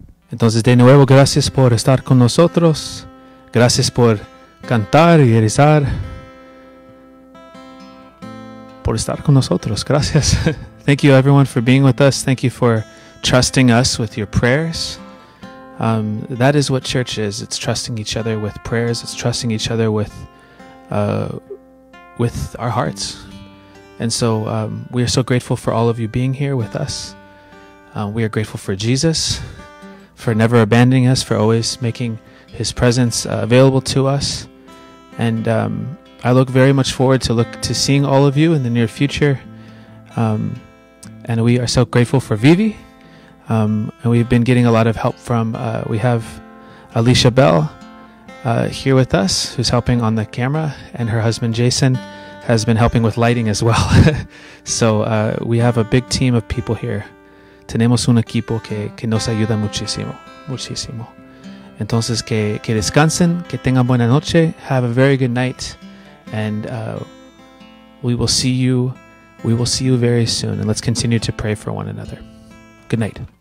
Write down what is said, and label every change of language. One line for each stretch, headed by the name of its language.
Spanish: Entonces, de nuevo, gracias por estar con nosotros. Gracias por cantar y rezar. Por estar con nosotros. Gracias.
English: Thank you, everyone, for being with us. Thank you for trusting us with your prayers. That is what church is. It's trusting each other with prayers. It's trusting each other with our hearts. And so, we are so grateful for all of you being here with us. We are grateful for Jesus, for never abandoning us, for always making his presence available to us. And I look very much forward to seeing all of you in the near future. And we are so grateful for Vivi. And we've been getting a lot of help from, we have Alicia Bell here with us, who's helping on the camera, and her husband Jason has been helping with lighting as well. So we have a big team of people here.
Spanish: Tenemos un equipo que nos ayuda muchísimo, muchísimo. Entonces, que descansen, que tengan buena noche,
English: have a very good night, and we will see you very soon, and let's continue to pray for one another. Good night.